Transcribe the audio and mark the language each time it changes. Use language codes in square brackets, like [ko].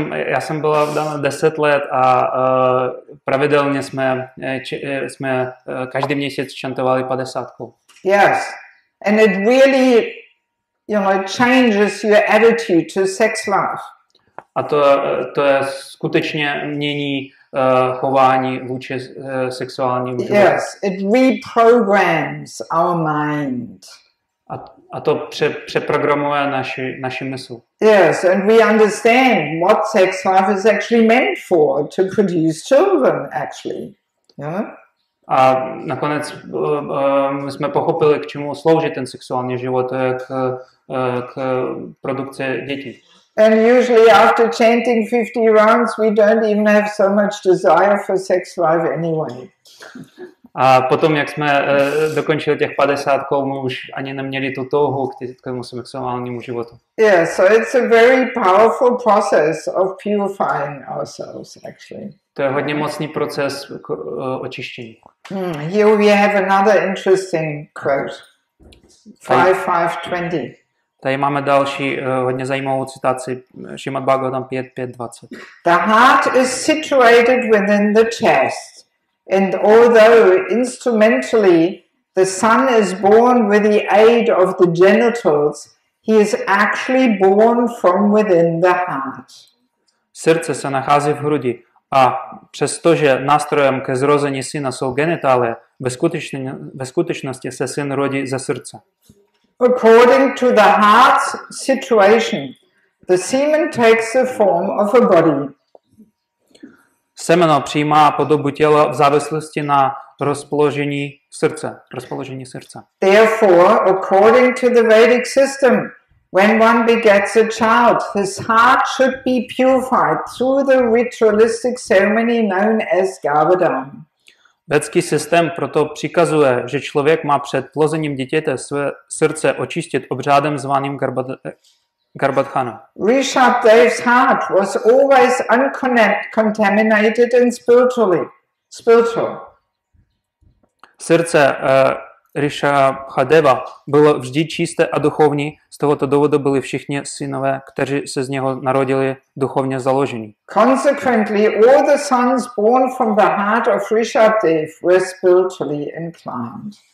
[cs] Já jsem byla vdána 10 let a pravidelně jsme každý měsíc chantovali 50. [en] Yes. And it really, you know, changes your attitude to sex life. [cs] A to je skutečně mění chování vůči sexuálnímu životu. [en] Yes, it reprograms our mind. [cs] A to přeprogramuje naši mysl. [en] Yes, and we understand what sex life is actually meant for, to produce children, actually. Yeah? [cs] A nakonec jsme pochopili, k čemu slouží ten sexuální život, to je k produkci dětí. [en] And usually after chanting 50 rounds, we don't even have so much desire for sex life anyway. [cs] A potom, jak jsme dokončili těch 50 kol, my už ani neměli tu touhu k tomu sexuálnímu životu. [en] Yeah, so it's a very powerful process of purifying ourselves, actually. [cs] To je hodně mocný proces očištění. [en] Here we have another interesting quote. 5520. [cs] Tady máme další hodně zajímavou citaci. Srimad Bhagavatam 5520. [en] The heart is situated within the chest. And although instrumentally the son is born with the aid of the genitals, he is actually born from within the heart. [cs] Srdce se nachází v hrudi a přestože nástrojem ke zrození syna jsou genitálie, ve skutečnosti se syn rodí ze srdce. [en] According to the heart's situation, the semen takes the form of a body. [cs] Semeno přijímá podobu těla v závislosti na rozpoložení srdce, rozpoložení srdce. [en] Therefore, according to the Vedic system, when one begets a child, his heart should be purified through the ritualistic ceremony known as Gavadan. [cs] Vedský systém proto přikazuje, že člověk má před plozením dítěte své srdce očistit obřádem zvaným Garbhadhana. [en] Rishabdev's heart was always uncontaminated and spiritual. [cs] Srdce Rishabdeva bylo vždy čisté a duchovní, z tohoto důvodu byli všichni synové, kteří se z něho narodili, duchovně založení. [en] Consequently, all the sons born from the heart of Rishabdev were spiritually inclined.